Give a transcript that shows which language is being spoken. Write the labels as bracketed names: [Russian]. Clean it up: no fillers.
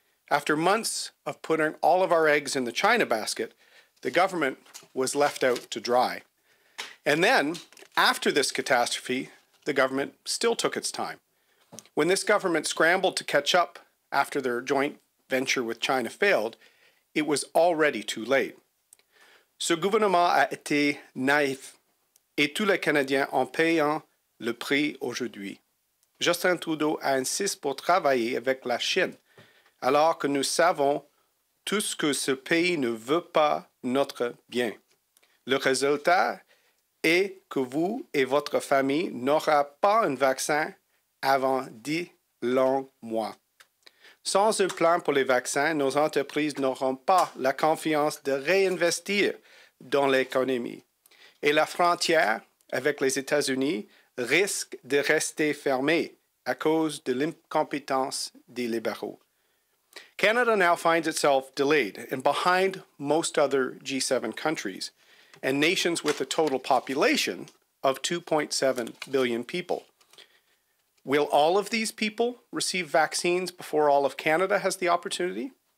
[English] After months of putting all of our eggs in the China basket, the government was left out to dry. And then, after this catastrophe, the government still took its time. When this government scrambled to catch up after their joint venture with China failed, it was already too late. [French] Ce gouvernement a été naïf et tous les Canadiens en payant le prix aujourd'hui. Justin Trudeau a insisté pour travailler avec la Chine, alors que nous savons tous que ce pays ne veut pas notre bien. Le résultat est que vous et votre famille n'aurez pas un vaccin avant 10 longs mois. Sans un plan pour les vaccins, nos entreprises n'auront pas la confiance de réinvestir dans l'économie. Et la frontière avec les États-Unis risque de rester fermée à cause de l'incompétence des libéraux. [English] Canada now finds itself delayed and behind most other G7 countries and nations with a total population of 2.7 billion people. Will all of these people receive vaccines before all of Canada has the opportunity?